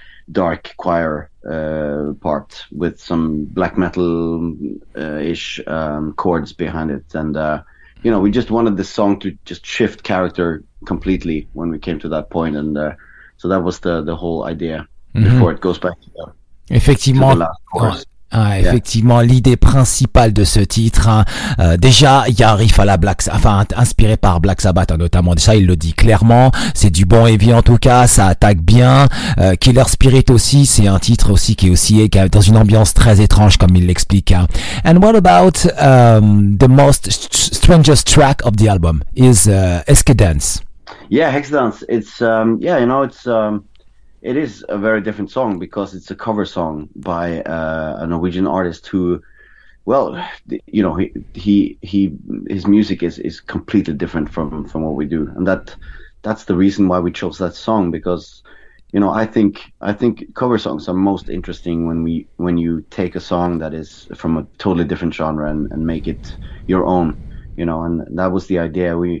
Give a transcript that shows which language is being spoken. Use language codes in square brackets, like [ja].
[en] dark choir part with some black metal ish chords behind it, and you know, we just wanted the song to just shift character completely when we came to that point, and so that was the whole idea before it goes back to [fr] effectivement. Effectivement, l'idée principale de ce titre, déjà, il y a un riff à la Black, enfin, inspiré par Black Sabbath, notamment. Déjà, il le dit clairement. C'est du bon heavy, en tout cas. Ça attaque bien. Killer Spirit aussi, c'est un titre aussi qui est aussi dans une ambiance très étrange, comme il l'explique. [en] And what about, the most strangest track of the album is, Hexdance? Yeah, Hexdance. It's, it is a very different song because it's a cover song by a Norwegian artist who, well, you know, his music is completely different from what we do, and that's the reason why we chose that song, because, you know, I think cover songs are most interesting when you take a song that is from a totally different genre and make it your own, you know, and that was the idea.